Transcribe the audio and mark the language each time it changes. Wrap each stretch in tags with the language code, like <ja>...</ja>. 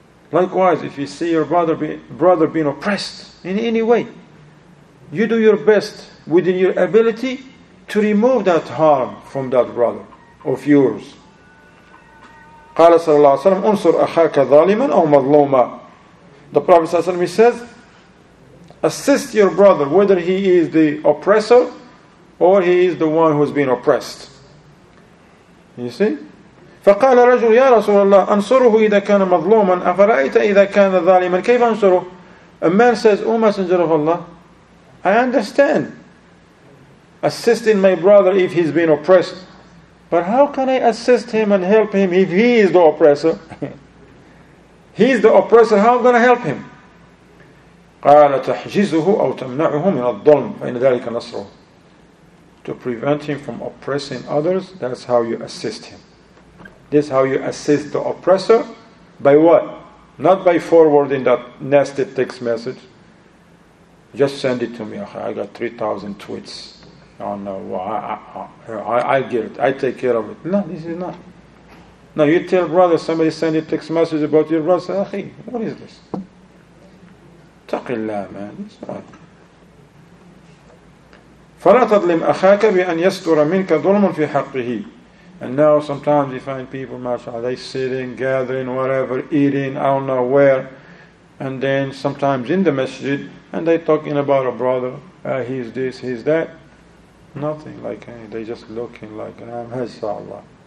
<en>Likewise, if you see your brother being oppressed in any way, you do your best within your ability to remove that harm from that brother of yours.</en> <ar>قَالَ صَلَى اللَّهُ عَلَيْهِ وَسَلَمْ أُنصُرْ أَخَاكَ ظَالِمًا أَوْ مَظْلُومًا.</ar> <en>The Prophet</en> <ar>صلى الله عليه وسلم</ar> <en>says, assist your brother, whether he is the oppressor or he is the one who's been oppressed. You see?</en> <ar>فقال رجل يا رسول الله أنصره إذا كان مظلوما أفرأيت إذا كان ظالما كيف أنصره.</ar> <en>A man says, O Messenger of Allah, I understand assisting my brother if he's been oppressed, but how can I assist him and help him if he is the oppressor? He's the oppressor, how am I going to help him?</en> <ar>قال تحجزه أو تمنعه من الظلم فإن ذلك نصره.</ar> <en>To prevent him from oppressing others, that's how you assist him. This is how you assist the oppressor. By what? Not by forwarding that nasty text message. Just send it to me. I got 3,000 tweets. I get it. I take care of it. No, this is not. No, you tell brother, somebody send you text message about your brother. Say, Akhi, what is this? Taqillah, man. It's not.</en> <ar>فلا تظلم أخاك بأن يستر منك ظلم في حقه.</ar> <en>And now sometimes you find people, mashallah, they sitting, gathering, whatever, eating, I don't know where, and then sometimes in the masjid, and they talking about a brother, he's this, he's that. Nothing, like, they just looking like, mashallah.</en>